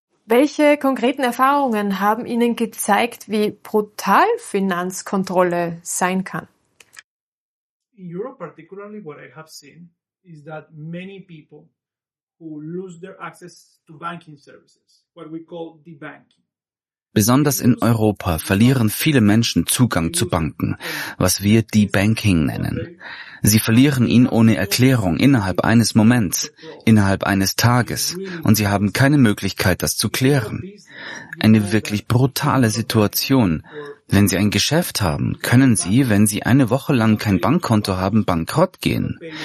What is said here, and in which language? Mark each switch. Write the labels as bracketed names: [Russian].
[German] Welche konkreten Erfahrungen haben Ihnen gezeigt, wie brutal Finanzkontrolle sein kann? [English] In Europe particularly what I have seen is that many people who lose their access to banking services, what we call debanking. [German] Besonders in Europa verlieren viele Menschen Zugang zu Banken, was wir Debanking nennen. Sie verlieren ihn ohne Erklärung innerhalb eines Moments, innerhalb eines Tages, und sie haben keine Möglichkeit, das zu klären. Eine wirklich brutale Situation. Wenn Sie ein Geschäft haben, können Sie, wenn Sie eine Woche lang kein Bankkonto haben, bankrott gehen.